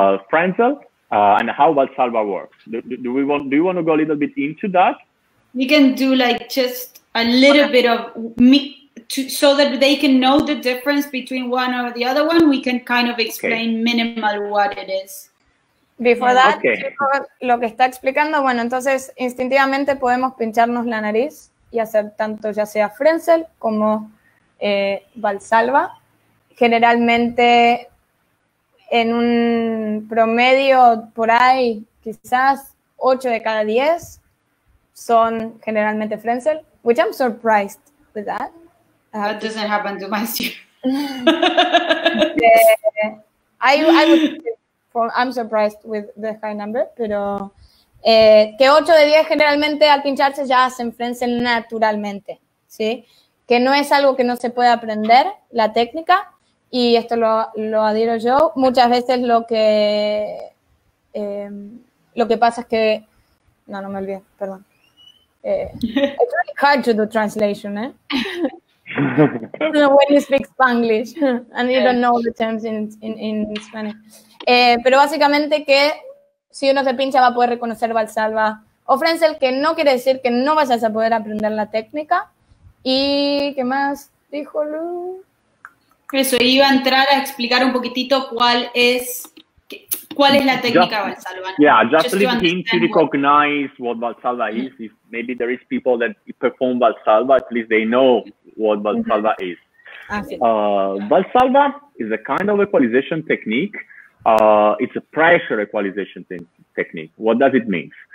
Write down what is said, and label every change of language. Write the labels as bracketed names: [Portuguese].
[English] Frenzel and how Valsalva works. Do you want to go a little bit into that? We can do like just a little okay. bit of me to, so that they can know the difference between one or the other one. We can kind of explain okay. minimal what it is. Before that, okay. [Spanish] lo que está explicando, bueno, entonces instintivamente podemos pincharnos la nariz y hacer tanto ya sea Frenzel como Valsalva. Generalmente en un promedio por ahí, quizás 8 de cada 10 son generalmente Frenzel, [English] which I'm surprised with that. That doesn't happen to my I'm surprised with the high number, [Spanish] pero que 8 de 10 generalmente al pincharse ya hacen Frenzel naturalmente, ¿sí? Que no es algo que no se puede aprender, la técnica, y esto lo adhiero yo. Muchas veces lo que pasa es que, no me olvidé, perdón. [English] It's really hard to do translation, ¿eh? When you speak Spanglish and you don't know the terms in Spanish. [Spanish] Pero básicamente que si uno se pincha va a poder reconocer Valsalva o Frenzel, que no quiere decir que no vayas a poder aprender la técnica. ¿Y qué más dijo Lu? Eso, iba a entrar a explicar un poquitito cuál es la técnica [English] just, Valsalva. Yeah, just a little thing to recognize what Valsalva is. If maybe there is people that perform Valsalva, at least they know what Valsalva mm-hmm. is. Valsalva is a kind of equalization technique. It's a pressure equalization technique. What does it mean?